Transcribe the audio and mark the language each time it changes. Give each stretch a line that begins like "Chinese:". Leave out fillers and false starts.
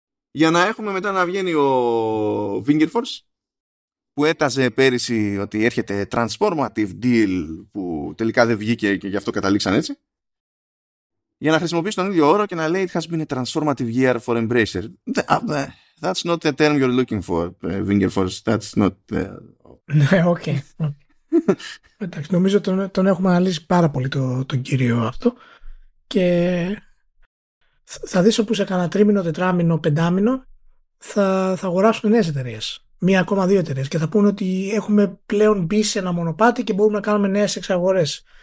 Greek: Για να έχουμε μετά να βγαίνει ο Fingerforce που έταζε πέρυσι ότι έρχεται
English: transformative deal
Greek: που τελικά δεν βγήκε και γι' αυτό καταλήξαν έτσι, για να χρησιμοποιήσει τον ίδιο όρο και να λέει
English: it has been a transformative year for Embracer. That's not the term you're looking for, Vingerforce. That's not...
Greek: Ναι, οκ. Εντάξει, νομίζω τον έχουμε αναλύσει πάρα πολύ τον κύριο αυτό. Και θα δεις όπου σε κανένα τρίμηνο, τετράμηνο, πεντάμηνο θα αγοράσουν νέες εταιρείες. Μία ακόμα δύο εταιρείες. Και θα πούνε ότι έχουμε πλέον μπει σε ένα μονοπάτι και μπορούμε να κάνουμε νέες εξαγορές.